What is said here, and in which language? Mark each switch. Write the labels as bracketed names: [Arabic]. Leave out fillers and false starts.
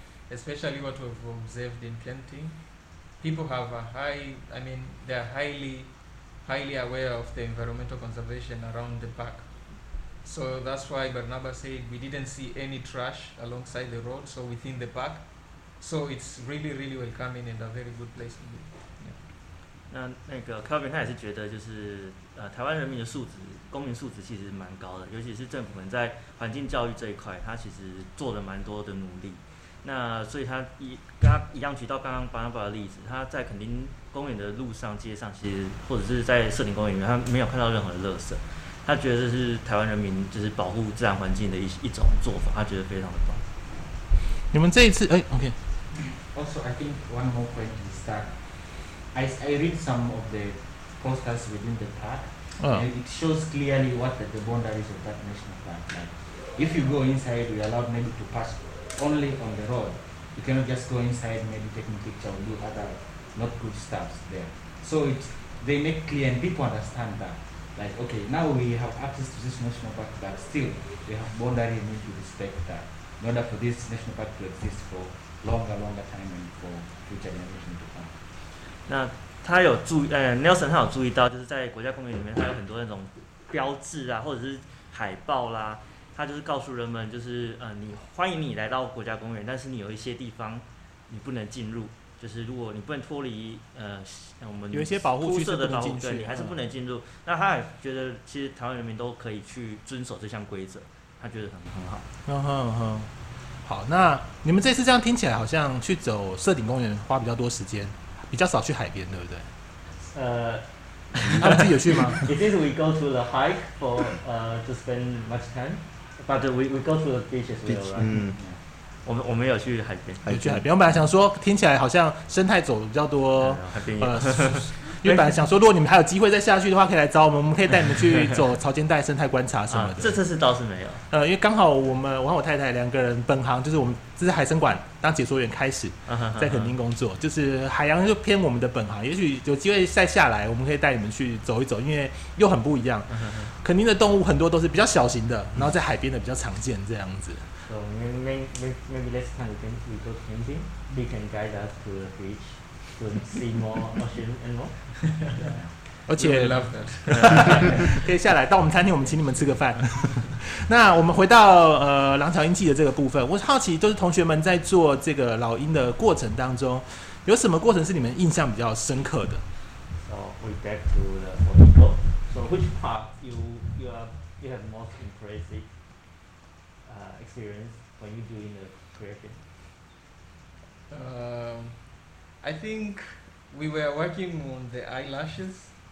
[English] especially what we've observed in Kenti, people have a they're highly aware of the environmental conservation around the park. So that's why Barnaba said we didn't see any trash alongside the road, so within the park. So it's really, really welcoming and a very good place to be. [Chinese] 那个 Kelvin 他也是觉得就是台湾人民的素质，公民素质其实蛮高的，尤其是政府们在环境教育这一块，他其实做了蛮多的努力。那所以他跟他一样举到刚刚 Barnaba 的例子，他在垦丁公园的路上、街上，其实或者是在社林公园里面，他没有看到任何的垃圾。他觉得这是台湾人民就是保护自然环境的一种做法，他觉得非常的棒。你们这一次，OK。 [English] Also, I think one more point is that I read some of the posters within the park, and it shows clearly what are the boundaries of that national park. Like, if you go inside, we're allowed maybe to pass only on the road. You cannot just go inside, maybe taking picture or do other not good stuff there. So they make clear and people understand that. Like, okay, now we have access to this national park, but still, we have boundary and need to respect that in order for this national park to exist for longer time and for future generations to come. [Chinese] 那他有注意，Nelson 他有注意到，就是在国家公园里面，他有很多那种标志啊，或者是海报啦，他就是告诉人们，就是你欢迎你来到国家公园，但是你有一些地方你不能进入，就是如果你不能脱离我们有一些保护区的保护区，你还是不能进入。那他也觉得，其实台湾人民都可以去遵守这项规则，他觉得很好。好，那你们这次这样听起来，好像去走社顶公园花比较多时间。比较少去海边，对不对？他们自己有去吗 [English] ？It is we go to the hike for to spend much time, but we go to the beaches. Beach, [Chinese] 我们有去海边，有去海边。我本来想说，听起来好像生态走的比较多，海边有。因为本来想说，如果你们还有机会再下去的话，可以来找我们，我们可以带你们去走潮间带生态观察什么的。这次是倒是没有，因为刚好我和我太太两个人本行就是我们。这是海生馆当解说员开始在垦丁工作，就是海洋就偏我们的本行，也许有机会再下来我们可以带你们去走一走，因为又很不一样。垦丁的动物很多都是比较小型的，然后在海边的比较常见这样子。 [English] So maybe next time we go camping, he can guide us to the beach to see more ocean and more. [Chinese] 而且 [English] love that. [Chinese] 可以下来到我们餐厅，我们请你们吃个饭。那我们回到廊桥鹰记的这个部分，我好奇，就是同学们在做这个老鹰的过程当中，有什么过程是你们印象比较深刻的 [English] ？So we back to the photo. So which part you have most impressive experience when you doing the creation? I think we were working on the eyelashes.